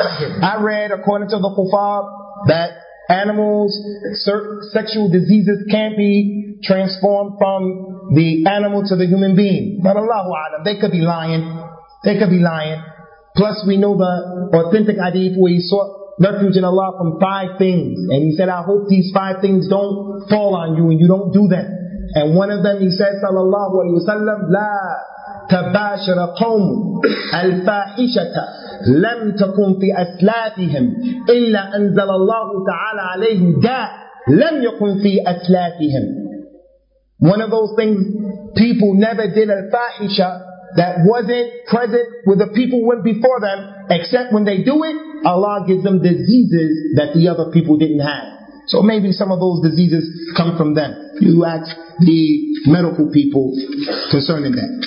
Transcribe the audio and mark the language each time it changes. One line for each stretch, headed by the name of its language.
English: I read, according to the Kufab, that animals, sexual diseases can't be transformed from the animal to the human being. But Allahu A'lam, they could be lying. They could be lying. Plus we know the authentic hadith where he sought refuge in Allah from five things. And he said, I hope these five things don't fall on you and you don't do them. And one of them, he said,
Arabic: sallallahu alayhi wa sallam, لا تباشر قوم الفاحشة لم تكن في أسلافهم إلا أنزل الله تعالى عليهم داء لم يكن في أسلافهم.
English: One of those things, people never did al-fahisha that wasn't present with the people who went before them, except when they do it, Allah gives them diseases that the other people didn't have. So maybe some of those diseases come from them. You ask the medical people concerning that.